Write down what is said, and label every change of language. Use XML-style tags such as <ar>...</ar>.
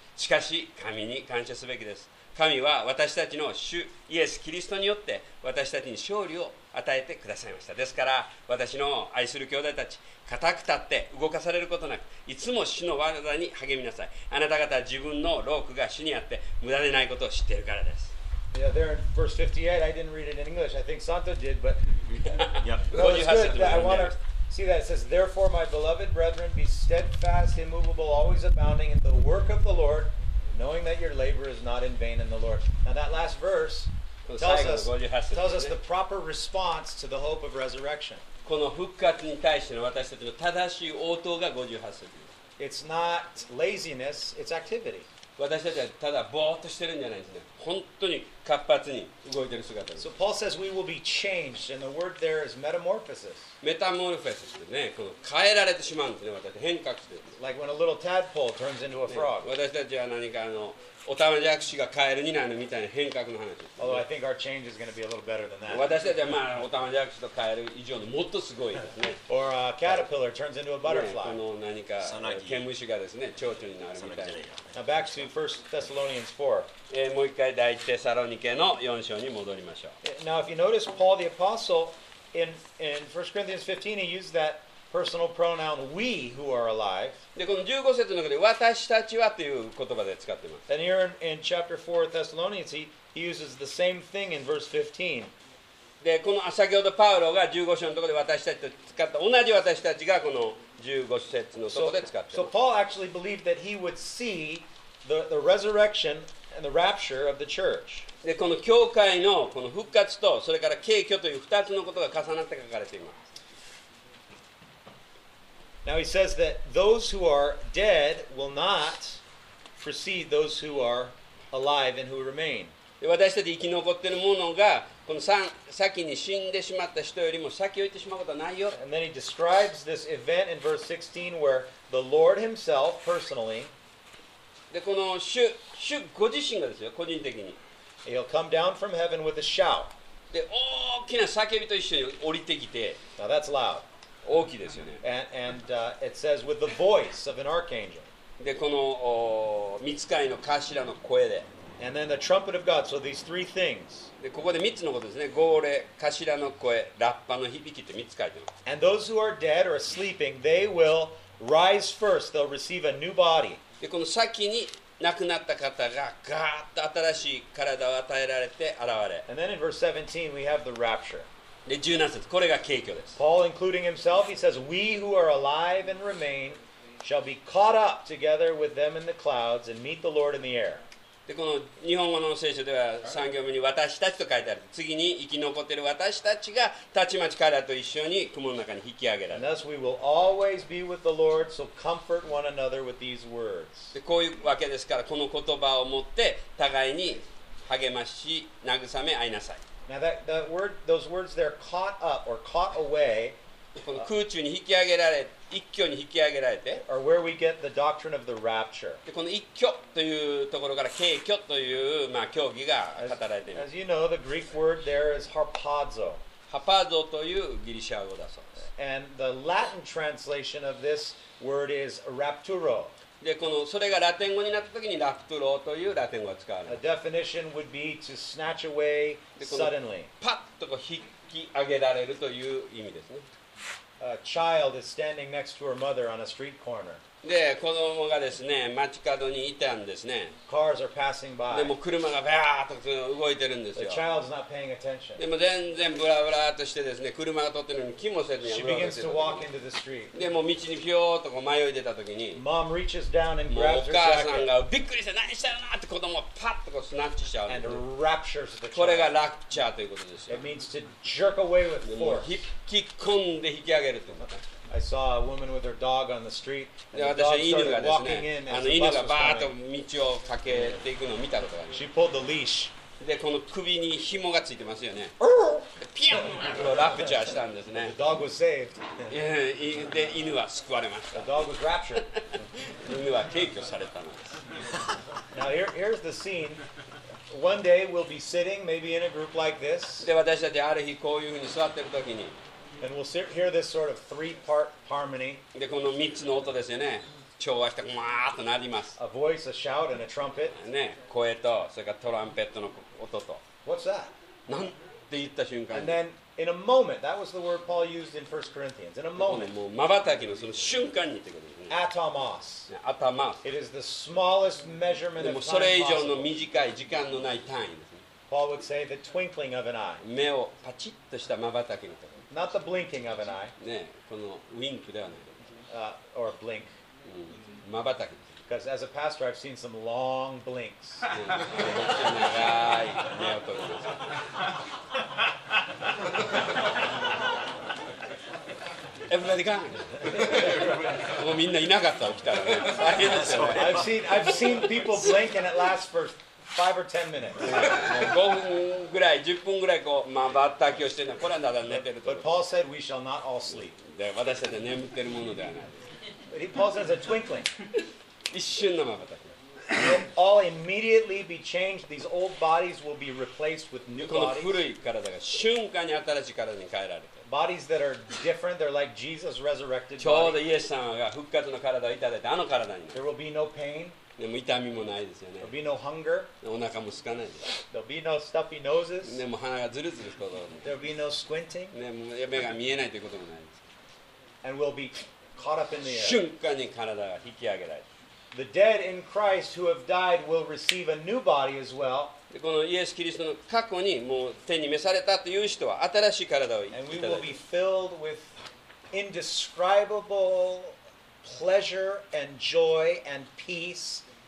<ja>しかし、神に感謝すべきです。神は私たちの主イエス・キリストによって私たちに勝利を与えてくださいました。ですから私の愛する兄弟たち、固く立って動かされることなく、いつも主の技に励みなさい。あなた方は自分のロークが主にあって無駄でないことを知っているからです。</ja> <en>Yeah, there in verse 58, I didn't read it in English. I think Santo did, but that was good. I want to see that. It says, therefore, my beloved brethren, be steadfast, immovable, always abounding in the work of the Lord, knowing that your labor is not in vain in the Lord. Now that last verse tells us the proper response to the hope of resurrection.</en> <ja>この復活に対しての私たちの正しい応答が58節です。</ja> <en>It's not laziness, it's activity.</en> <ja>私たちはただぼーっとしてるんじゃないですね。本当に活発に動いてる姿です。</ja> <en>So Paul says we will be changed, and the word there is metamorphosis.</en> <ja>Metamorphosis ですね。この変えられてしまうんですね。私たち変革する。</ja> <en>Like when a little tadpole turns into a frog.</en> <ja>私たちは何かおたまじゃくしがカエルになるみたいな変革の話です、ね。</ja> <en>Although I think our change is going to be a little better than that.</en> <ja>私たちはまあおたまじゃくしとカエル以上のもっとすごいですね。</ja> <en>Or a caterpillar turns into a butterfly.</en> <ja>この何か毛虫がですね、蝶々になるみたいな。</ja> <en>Now back to 1 Thessalonians 4.</en> <ja>もう一回第一テサロニケの4章に戻りましょう。</ja> <en>Now, if you notice, Paul the Apostle in 1 Corinthians 15, he used that personal pronoun we who are alive.</en> <ja>で、この15節の中で私たちはという言葉で使っています。</ja> <en>And here in chapter 4 Thessalonians, he uses the same thing in verse 15.</en> <ja>で、この先ほどパウロが15章のところで私たちと使った同じ私たちがこの15節のところで使っています。</ja> <en>So Paul actually believed that he would see the resurrection. And the rapture of the church.</en> <ja>で、この教会のこの復活とそれから敬虚という二つのことが重なって書かれています。</ja> <en>Now he says that those who are dead will not precede those who are alive and who remain.</en> <ja>で、私たち生き残っているものがこの先に死んでしまった人よりも先を行ってしまうことはないよ。</ja> <en>And then he describes this event in verse 16 where the Lord himself personally.</en> <ja>でこの主ご自身がですよ、個人的に。</ja> <en>He'll come down from heaven with a shout.</en> <ja>で、大きな叫びと一緒に降りてきて。</ja> <en>Now that's loud.</en> <ja>大きいですよね。</ja> <en>And it says with the voice of an archangel.</en> <ja>で、この御使いの頭の声で。</ja> <en>And then the trumpet of God. So these three things.</en> <ja>で、ここで3つのことですね。号令、頭の声、ラッパの響きって3つ書いてます。</ja> <en>And those who are dead or sleeping, they will rise first. They'll receive a new body.</en> <ja>でこの先に亡くなった方がガーッと新しい体を与えられて現れ。</ja> <en>And then in verse 17 we have the rapture.</en> <ja>で17節、これが敬虚です。</ja> <en>Paul including himself, he says, We who are alive and remain shall be caught up together with them in the clouds and meet the Lord in the air.</en> <ja>でこの日本語の聖書では3行目に私たちと書いてある。次に生き残っている私たちがたちまち彼らと一緒に雲の中に引き上げられる。</ja> <en>And thus we will always be with the Lord, so comfort one another with these words.</en> <ja>でこういうわけですから、この言葉を持って互いに励まし、慰め合いなさい。</ja> <en>Now that word, those words there, caught up or caught away,</en> <ja>空中に引き上げられ、一挙に引き上げられて、</ja> <en>or where we get the doctrine of the rapture.</en> <ja>で、この一挙というところから、景挙という、まあ、教義が語られています。</ja> <en>As you know, the Greek word there is harpazo.</en> <ja>Harpazo というギリシャ語だそうです。</ja> <en>And the Latin translation of this word is rapturo.</en> <ja>でこのそれがラテン語になったときにラプトロというラテン語が使われます。</ja> <en>A definition would be to snatch away suddenly.</en> <ja>パッとこう引き上げられるという意味ですね。</ja> <en>A child is standing next to her mother on a street corner.</en> <ja>で子供がですね街角にいたんですね。</ja> <en>Cars are passing by.</en> <ja>でも車がバーッと動いてるんですよ。</ja> <en>The child's not paying attention.</en> <ja>でも全然ブラブラとしてですね車が通ってるのに気もせずに。</ja> <en>She begins to walk into the street.</en> <ja>でも道にピョーッと迷い出たときに。</ja> <en>Mom reaches down and grabs her jacket.</en> <ja>お母さんがびっくりして何したのって子供をパッとこうスナッチしちゃう。</ja> <en>And raptures the child.</en> <ja>これがラプチャーということですよ。</ja> <en>It means to jerk away with force.</en> <ja>引き込んで引き上げるってこと。</ja> <en>I saw a woman with her dog on the street. And the dog started walking in as the bus was coming. The dog was walking in as the bus was coming. She pulled the leash.</en> <ja>で、この首に紐がついてますよね。ピュン！ラプチャーしたんですね。</ja> <en>The dog was saved.</en> <ja>で、犬は救われました。</ja> <en>The dog was raptured.</en> <ja>犬は警挙されたのです。</ja> <en>Now here's the scene. One day we'll be sitting, maybe in a group like this.</en> <ja>で、私たちある日こういうふうに座ってるときに。</ja> <en>And we'll hear this sort of three-part harmony.</en> <ja>で、この三つの音ですよね。調和して、わーっとなります。</ja> <en>A voice, a shout, and a trumpet.</en> <ja>ね、声と、それからトランペットの音と。</ja> <en>What's that?</en> <ja>なんて言った瞬間に。</ja> <en>And then, in a moment, that was the word Paul used in 1 Corinthians. In a moment.</en> <ja>もう瞬きのその瞬間にってことですね。</ja> <en>Atomos. Atomos. It is the smallest measurement of time possible.</en> <ja>でもそれ以上の短い時間のない単位ですね。</ja> <en>Paul would say the twinkling of an eye.</en> <ja>目をパチッとした瞬きのところ。</ja> <en>Not the blinking of an eye.</en> <ja>ね、このウィンクではない。</ja> <en>Or a blink.</en> <ja>まばたき。</ja> <en>Because as a pastor, I've seen some long blinks.</en> <ja>長い目を取ります。</ja> <en>Everybody gone.</en> <ja>みんないなかった、起きたらね。大変ですよね。</ja> <en>I've seen people blink and it lasts for 5 or 10 minutes.</en> <ja>5分ぐらい、10分ぐらいこう、まばたきをしてるのは、これはただ寝てると。</ja> <en>But Paul said we shall not all sleep.</en> <ja>私たちは眠ってるものではないです。</ja> <en>But Paul says a twinkling.</en> <ja>一瞬のまばたき。</ja> <en>All immediately be changed. These old bodies will be replaced with new bodies.</en> <ja>この古い体が瞬間に新しい体に変えられて。</ja> <en>Bodies that are different, they're like Jesus' resurrected body.</en> <ja>ちょうどイエス様が復活の体をいただいて、あの体になる。</ja> <en>There will be no pain.</en> <ja>でも痛みもないですよね。</ja> <en>There'll be no hunger.</en> <ja>お腹もすかないです。</ja> <en>There'll be no stuffy noses.</en> <ja>でも鼻がズルズルすることもない。</ja> <en>There'll be no squinting.</en> <ja>でも目が見えないということもないです。</ja> <en>And we'll be caught up in the air.</en> <ja>瞬間に体が引き上げられる。</ja> <en>The dead in Christ who have died will receive a new body as well.</en> <ja>でこのイエス・キリストの過去にもう天に召されたという人は新しい体をいただいて。</ja> <en>And we will be filled with indescribable pleasure and joy and peace.</en>